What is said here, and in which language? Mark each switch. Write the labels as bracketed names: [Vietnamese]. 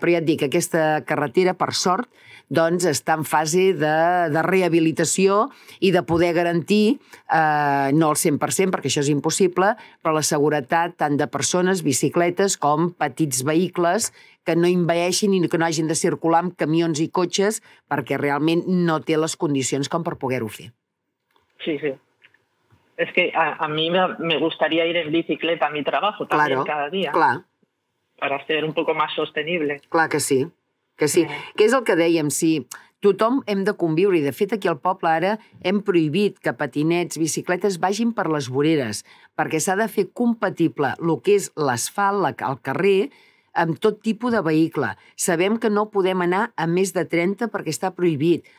[Catalan] Però ja et dic, aquesta carretera, per sort, doncs està en fase de rehabilitació i de poder garantir, no el 100%, perquè això és impossible, però la seguretat tant de persones, bicicletes, com petits vehicles que no envaeixin i que no hagin de circular amb camions i cotxes perquè realment no té les condicions com per poder-ho fer. Sí, sí. [Spanish] És que a mi me gustaría ir en bicicleta a mi trabajo también claro, cada día. Claro. Para ser un poco más sostenible. [Catalan] Clar que sí. Que sí. Què és el que dèiem? Si tothom hem de conviure, i de fet aquí al poble ara hem prohibit que patinets, bicicletes vagin per les voreres, perquè s'ha de fer compatible el que és l'asfalt, el carrer, amb tot tipus de vehicle. Sabem que no podem anar a més de 30 perquè està prohibit.